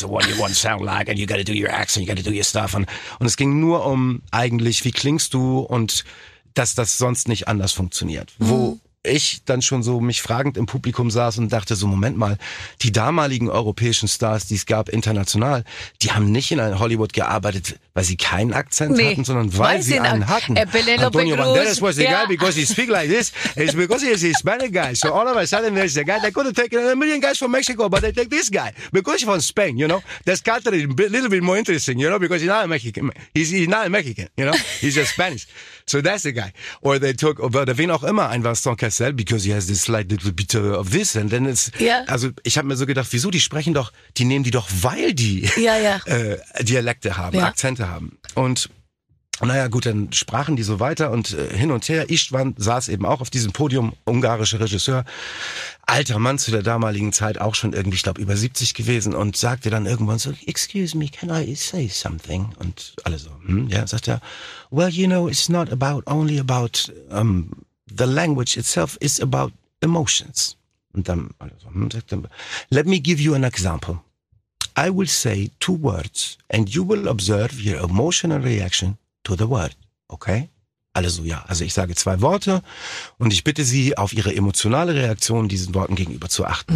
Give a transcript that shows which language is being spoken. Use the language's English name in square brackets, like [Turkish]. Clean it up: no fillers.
[English] So what you want to sound like and you gotta do your accent, you gotta do your stuff. [German] Und es ging nur um eigentlich, wie klingst du und dass das sonst nicht anders funktioniert. Mhm. Wo ich dann schon so mich fragend im Publikum saß und dachte so, Moment mal, die damaligen europäischen Stars, die es gab international, die haben nicht in Hollywood gearbeitet, weil sie keinen Akzent hatten, sondern weil sie einen hatten. [English] Antonio Banderas was the guy because he speak like this. It's because he's a Hispanic guy. So all of a sudden there's a guy that could have taken a million guys from Mexico, but they take this guy because he's from Spain, you know. That's culturally a little bit more interesting, you know, because he's not a Mexican. He's not a Mexican, you know. He's just Spanish. So that's the guy. Or they took, [German] oder wen auch immer, ein [English] Vincent Cassel, because he has this slight little bit of this. And then it's, [German] also ich habe mir so gedacht, wieso, die sprechen doch, die nehmen die doch, weil die Dialekte haben, Akzente haben. Und naja, gut, dann sprachen die so weiter und hin und her. Istvan saß eben auch auf diesem Podium, ungarischer Regisseur, alter Mann zu der damaligen Zeit, auch schon irgendwie, ich glaube, über 70 gewesen und sagte dann irgendwann so, [English] excuse me, can I say something? [German] Und alle so, sagt er, [English] well, you know, it's not about only about the language itself, it's about emotions. [German] Und dann alle so, sagt er, [English] let me give you an example. I will say two words and you will observe your emotional reaction to the word, okay? [German] Alle so, ja. Also ich sage zwei Worte und ich bitte Sie, auf Ihre emotionale Reaktion diesen Worten gegenüber zu achten.